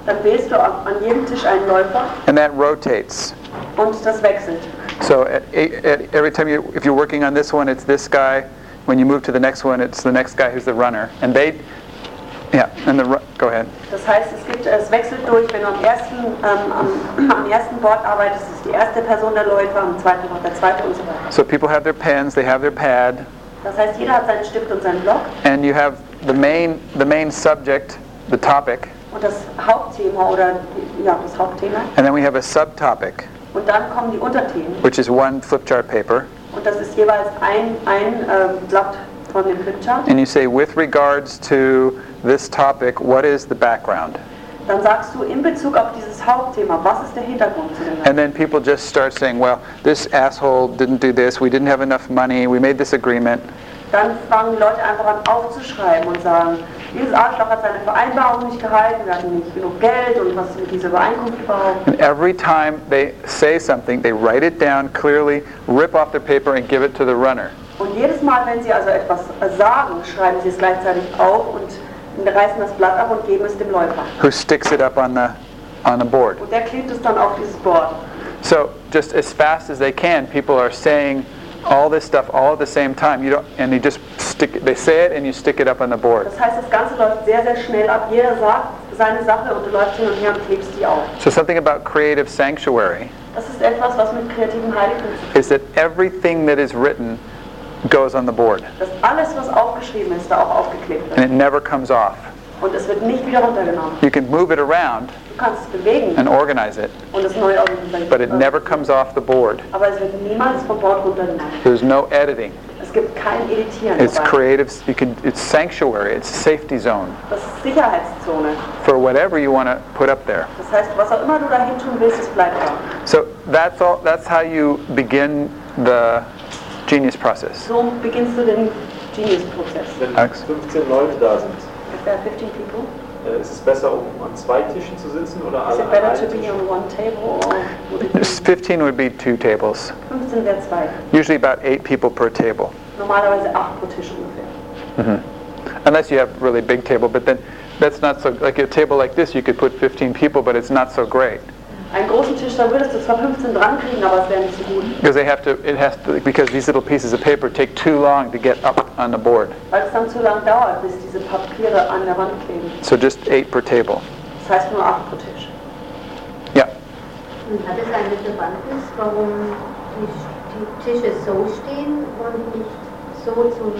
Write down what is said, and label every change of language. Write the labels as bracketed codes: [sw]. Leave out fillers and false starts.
[de] Dann wählst du an jedem Tisch einen Läufer. [en] And that rotates. [de] Und das wechselt. [en] So at every time if you're working on this one, it's this guy. When you move to the next one, it's the next guy who's the runner. And they, yeah, and the go ahead. [de] Das heißt, es wechselt durch. Wenn du am ersten Board arbeitest, ist die erste Person der Läufer, am zweiten Board der zweite und so weiter. [en] So people have their pens, they have their pad. [de] Das heißt, jeder hat seinen Stift und seinen Block. [en] And you have the main subject, the topic. [de] Und das Hauptthema oder ja, das Hauptthema. [en] And then we have a subtopic. [de] Und dann kommen die Unterthemen. [en] Which is one flip chart paper. [de] Und das ist jeweils ein Blatt von dem flip chart. [en] And you say, with regards to this topic, what is the background? [de] Dann sagst du in Bezug auf dieses Hauptthema, was ist der Hintergrund zu dem? [en] And then people just start saying, well, this asshole didn't do this, we didn't have enough money, we made this agreement. [de] Dann fangen Leute einfach an aufzuschreiben und sagen, dieses Arschloch hat seine Vereinbarung nicht gehalten, wir hatten nicht genug Geld und was mit dieser Übereinkunft war. [en] And every time they say something, they write it down clearly, rip off the paper and give it to the runner. [de] Und jedes Mal, wenn sie also etwas sagen, schreiben sie es gleichzeitig auf und reißen das Blatt ab und geben es dem Läufer. [en] Who sticks it up on the board. [de] Und der klebt es dann auf dieses Board. [en] So, just as fast as they can, people are saying all this stuff all at the same time. You don't, and they just stick it, they say it and you stick it up on the board. [de] Das heißt, das Ganze läuft sehr, sehr schnell ab. Jeder sagt seine Sache und du läufst hin und her und klebst die auf. [en] So something about creative sanctuary. [de] Das ist etwas, was mit kreativem Heiligtum zu tun hat. [en] Is that everything that is written goes on the board. [de] Dass alles, was aufgeschrieben ist, da auch aufgeklebt wird. [en] And it never comes off. [de] Und es wird nicht wieder runtergenommen. [en] You can move it around. [de] Du kannst es bewegen. [en] And organize it. [de] Und es neu organisieren. [en] But it never comes off the board. [de] Aber es wird niemals vom Board runtergenommen. [en] There's no editing. [de] Es gibt kein Editieren. [en] It's [de] dabei. [en] Creative. You can. It's sanctuary. It's safety zone. [de] Das ist Sicherheitszone. [en] For whatever you want to put up there. [de] Das heißt, was auch immer du dahin tun willst, es bleibt da. [en] So that's all. That's how you begin the genius process. [de] So beginnst du den genius process. Wenn 15 Leute da sind. [en] If there are 15 people. [de] Ist es besser, an zwei Tischen zu sitzen oder an einem Tisch? [en] Is it better to be on one table or? 15 would be two tables. [de] 15 wäre zwei. [en] Usually about 8 people per table. [de] Normalerweise 8 pro Tisch ungefähr. Mm-hmm. [en] Unless you have a really big table, but then that's not so, like a table like this, you could put 15 people, but it's not so great. [de] Einen großen Tisch, da würdest du zwar 15 dran kriegen, aber es wäre nicht so gut. [en] Because they have to, it has to, because these little pieces of paper take too long to get up on the board. [de] Weil es dann zu lang dauert, bis diese Papiere an der Wand kleben. [en] So just 8 per table. [de] Das heißt nur 8 pro Tisch. Ja. Und hat es eine Relevanz, warum die Tische so stehen und nicht so zu